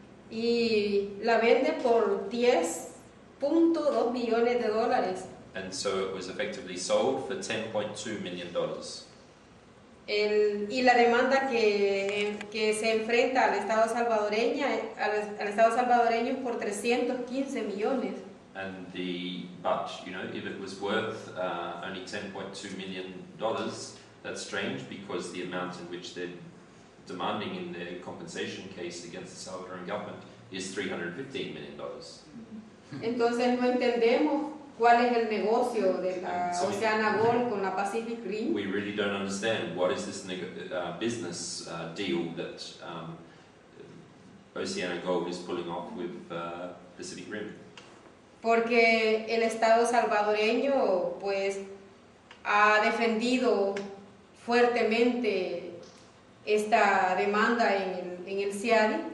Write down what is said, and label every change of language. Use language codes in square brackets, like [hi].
[es] Y la vende por 10.2 millones de dólares. [en] And so it was effectively sold for $10.2 million. [es] Y la demanda que se enfrenta al Estado salvadoreño es por 315 millones. [en] But if it was worth only $10.2 million, that's strange because the amount in which they're demanding in their compensation case against the Salvadoran government is $315 million. [es] Entonces no entendemos. ¿Cuál es el negocio de la Oceana Gold con la Pacific Rim? [en] We really don't understand what is this business deal that Oceana Gold is pulling off with Pacific Rim. [es] Porque el Estado salvadoreño pues ha defendido fuertemente esta demanda en el CIADI.